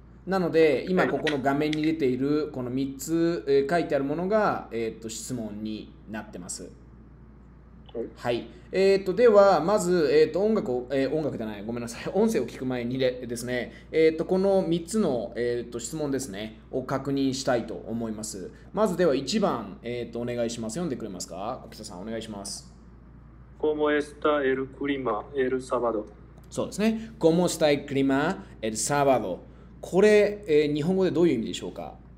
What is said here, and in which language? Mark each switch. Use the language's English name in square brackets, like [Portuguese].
[Japanese] なので、今ここの画面に出ているこの3つ書いてあるものが、質問になってます。はい。ではまず、音楽を、音楽じゃない、ごめんなさい、音声を聞く前にですね、この3つの、質問ですねを確認したいと思います。まずでは1番、お願いします。読んでくれますか、小木田さん、お願いします。 [Spanish] Como está el clima el sábado? [Japanese] そうですね、 [Spanish] Como está el clima el sábado? [Japanese] これ、日本語でどういう意味でしょうか。